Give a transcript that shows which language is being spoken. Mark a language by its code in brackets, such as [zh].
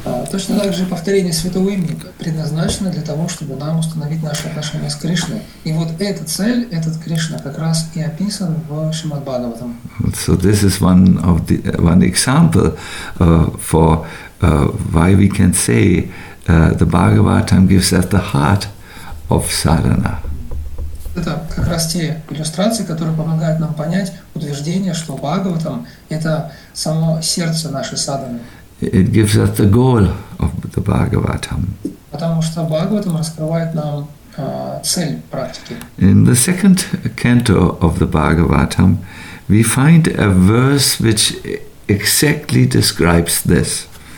[ru] Точно так же повторение святого имени предназначено для того, чтобы нам установить наши отношения с Кришной. И вот эта цель, этот Кришна, как раз и описан в Шримад Бхагаватам. [en] So this is one example for why we can say the Bhagavatam gives us the heart of sadhana. [ru] Это как раз те иллюстрации, которые помогают нам понять утверждение, что Бхагаватам – это само сердце нашей садханы. [en] It gives us the goal of the Bhagavatam. [ru] Потому что Бхагаватам раскрывает нам цель практики. [en] In the second canto of the Bhagavatam, we find a verse which exactly describes this.